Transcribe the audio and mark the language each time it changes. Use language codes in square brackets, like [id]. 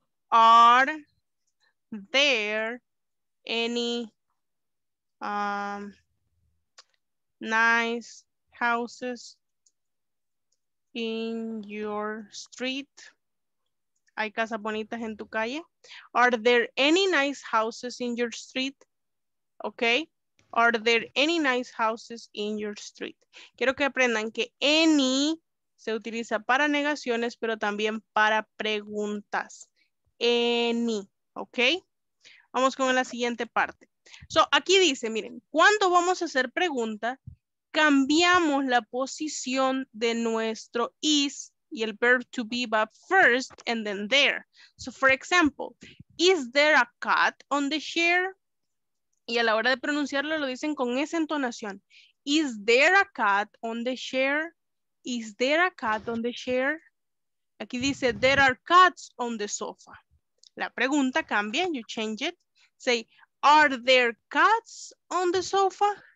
[en] Are there any nice houses in your street? [es] ¿Hay casas bonitas en tu calle? [en] Are there any nice houses in your street? Okay. Are there any nice houses in your street? [es] Quiero que aprendan que any se utiliza para negaciones, pero también para preguntas. Any. Okay. Vamos con la siguiente parte. So, aquí dice, miren, cuando vamos a hacer pregunta, cambiamos la posición de nuestro is. Y el [en] verb to be va first and then there. So, for example, is there a cat on the chair? [es] Y a la hora de pronunciarlo lo dicen con esa entonación. [en] Is there a cat on the chair? Is there a cat on the chair? [es] Aquí dice, [en] there are cats on the sofa. [es] La pregunta cambia, [en] you change it. Say, are there cats on the sofa?